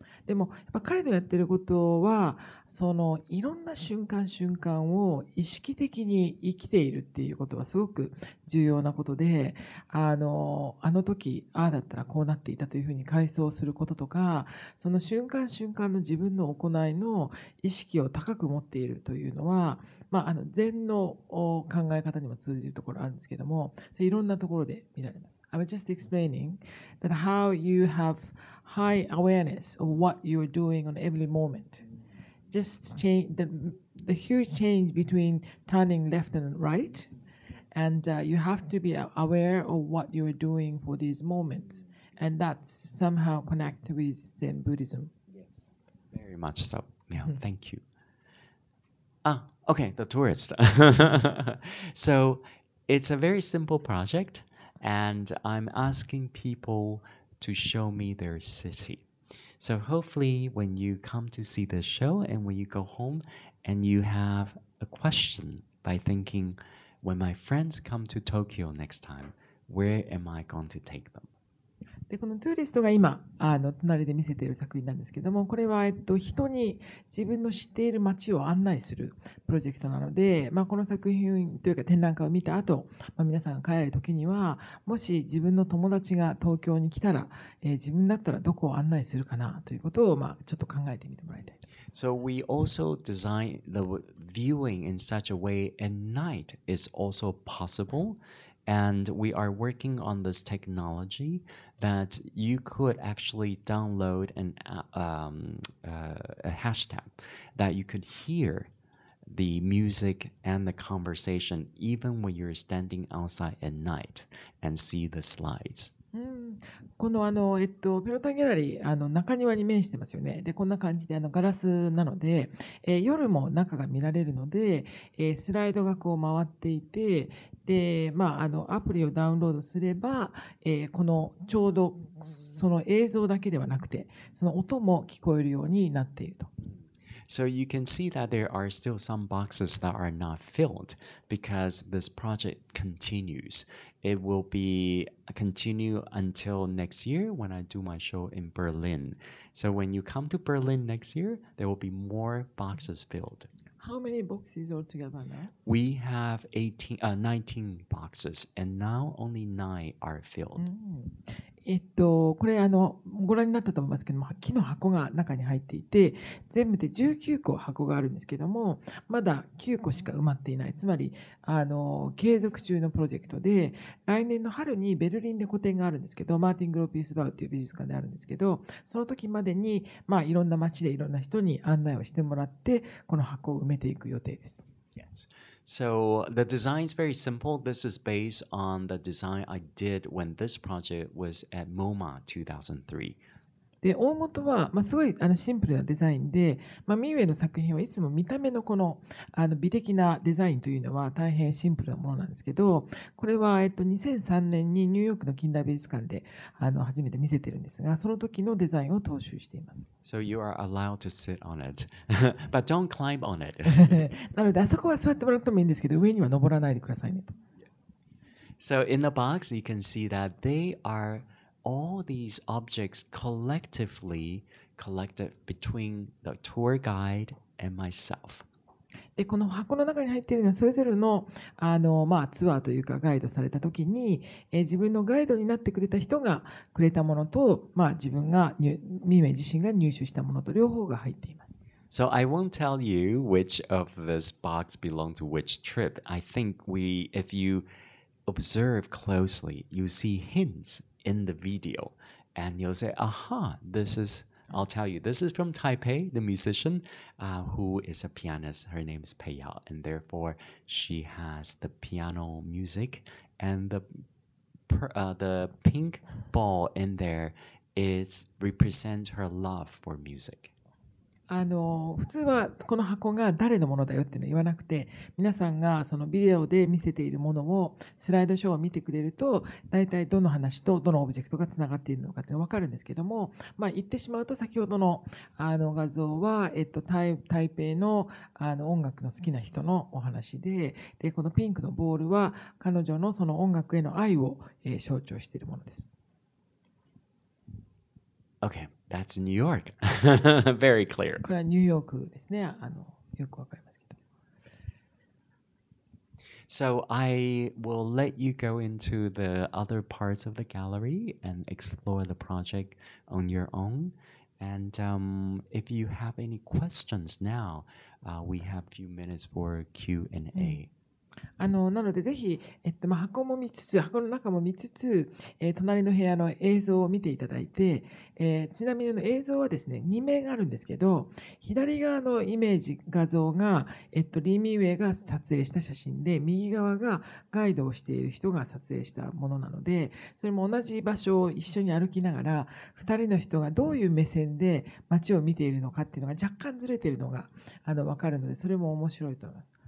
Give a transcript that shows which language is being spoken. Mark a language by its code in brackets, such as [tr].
[ja] でも、やっぱ彼のやってることは、いろんな瞬間瞬間を意識的に生きているっていうことはすごく重要なことで、あの時、ああだったらこうなっていたというふうに回想することとか、その瞬間瞬間の自分の行いの意識を高く持っているというのは、まあ、禅の考え方にも通じるところあるんですけども、それいろんなところで見られます。 [en] I was just explaining that how you have high awareness of what you are doing on every moment. Just change the huge change between turning left and right, and you have to be aware of what you are doing for these moments, and that's somehow connected with Zen Buddhism. Yes, very much so. Yeah, thank you. Ah, okay, the tourist. So it's a very simple project. And I'm asking people to show me their city. So hopefully when you come to see the show and when you go home and you have a question by thinking, when my friends come to Tokyo next time, where am I going to take them? [ja] でこのトゥーリストが今隣で見せている作品なんですけども、これは人に自分の知っている街を案内するプロジェクトなので、まあこの作品というか展覧会を見た後、まあ皆さんが帰る時には、もし自分の友達が東京に来たら、自分だったらどこを案内するかなということを、まあちょっと考えてみてもらいたい。 [en] So we also design the viewing in such a way at night is also possibleAnd we are working on this technology that you could actually download a hashtag that you could hear the music and the conversation even when you're standing outside at night and see the slides. [ja] このペロタンギャラリー中庭に面してますよね。でこんな感じでガラスなので、夜も中が見られるので、スライドがこう回っていて、で、まあ、アプリをダウンロードすれば、このちょうどその映像だけではなくて、その音も聞こえるようになっていると。 [en] So you can see that there are still some boxes that are not filled because this project continues. It will be continue until next year when I do my show in Berlin. So when you come to Berlin next year, there will be more boxes filled. How many boxes altogether now? We have 19 boxes and now only 9 are filled. Mm. [ja] これご覧になったと思いますけども、木の箱が中に入っていて、全部で19個箱があるんですけども、まだ9個しか埋まっていない。つまり継続中のプロジェクトで、来年の春にベルリンで個展があるんですけど、マーティン・グロピウスバウという美術館であるんですけど、その時までに、まあ、いろんな町でいろんな人に案内をしてもらって、この箱を埋めていく予定です。 [en] Yes. So the design is very simple. This is based on the design I did when this project was at MoMA 2003. [ja] で、大元は、まあ、すごいシンプルなデザインで、まあ、ミウェイの作品はいつも見た目のこの美的なデザインというのは大変シンプルなものなんですけど、これは2003年にニューヨークの近代美術館で初めて見せてるんですが、その時のデザインを踏襲しています。 [en] So you are allowed to sit on it, but don't climb on it. [ja] なので、あそこは座ってもらってもいいんですけど、上には登らないでくださいね。 [en] So in the box, you can see that they are all these objects collectively collected between the tour guide and myself. [ja] でこの箱の中に入っているのはそれぞれ の、まあ、ツアーというかガイドされた時に、自分のガイドになってくれた人がくれたものと、まあ、自分がミメ自身が入手したものと両方が入っています。 [en] So I won't tell you which of this box belongs to which trip. I think we, if you observe closely, you see hints in the video and you'll say, aha, this isI'll tell you, this is from Taipei, the musician, who is a pianist. Her name is Peiyao, and therefore she has the piano music. And the pink ball in there is represents her love for music. [ja] あの普通はこの箱が誰のものだよっていうのは言わなくて皆さんがそのビデオで見せているものをスライドショーを見てくれると大体どの話とどのオブジェクトがつながっているのかっていうのが分かるんですけども、まあ、言ってしまうと先ほど の画像は、台北 の音楽の好きな人のお話 でこのピンクのボールは彼女 その音楽への愛を、象徴しているものです [en] OKThat's New York. Very clear. [ja] これはニューヨークですね。あの、よくわかりますけど。 [en] So I will let you go into the other parts of the gallery and explore the project on your own. And if you have any questions now, we have a few minutes for Q&A. [ja] あのなのでぜひ、まあ、箱も見つつ箱の中も見つつ、隣の部屋の映像を見ていただいて、ちなみにの映像はですね2面があるんですけど左側のイメージ画像が、リーミーウェイが撮影した写真で右側がガイドをしている人が撮影したものなのでそれも同じ場所を一緒に歩きながら2人の人がどういう目線で街を見ているのかっていうのが若干ずれているのがあの分かるのでそれも面白いと思います。